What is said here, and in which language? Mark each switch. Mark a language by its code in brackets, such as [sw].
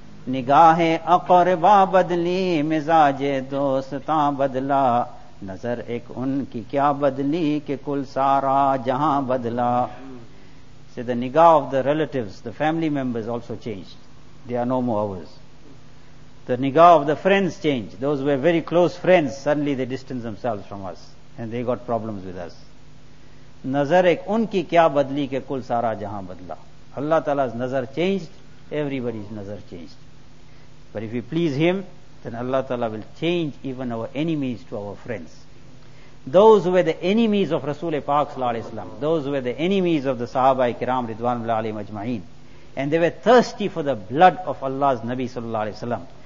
[ur] نگاہِ اقربا بدلی مزاجِ دوستاں بدلا نظر ایک ان کی کیا بدلی کہ کل سارا جہاں بدلا. [en] So the nigah of the relatives, the family members also changed. They are no more ours. The nigah of the friends changed. Those who were very close friends, suddenly they distanced themselves from us and they got problems with us. [ur] نظر ایک ان کی کیا بدلی کہ کل سارا جہاں بدلا. [en] Allah Ta'ala's nazar changed, everybody's nazar changed. But if we please Him, then Allah Ta'ala will change even our enemies to our friends. Those who were the enemies of Rasulullah Pak Sallallahu Alaihi Wasallam, those who were the enemies of the Sahaba-i-Kiram Ridwanullah Alayhim Ajma'in, and they were thirsty for the blood of Allah's Nabi Sallallahu Alaihi Wasallam.